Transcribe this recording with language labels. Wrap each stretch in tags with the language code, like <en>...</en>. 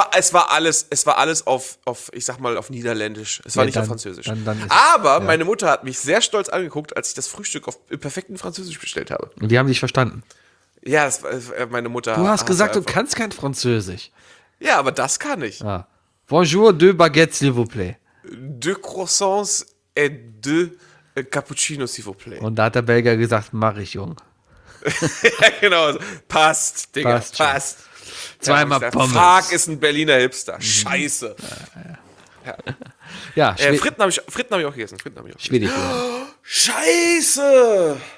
<de>Es war alles auf, ich sag mal, auf Niederländisch. Es war nicht auf Französisch. Dann aber ja. Meine Mutter hat mich sehr stolz angeguckt, als ich das Frühstück auf perfekten Französisch bestellt habe. Und die haben dich verstanden. Ja, meine Mutter. Du hast gesagt, du kannst kein Französisch. Ja, aber das kann ich. Ah.</de> <fr>Bonjour, deux baguettes, s'il vous plaît. Deux croissants et deux cappuccinos, s'il vous plaît.</fr> <de>Und da hat der Belgier gesagt, mach ich, Jung. Ja, genau. Passt, Digga, passt. Zweimal Pommes. Frag ist ein Berliner Hipster. Mhm. Scheiße. Ja. Fritten habe ich auch gegessen. Schwedisch. Scheiße.</de>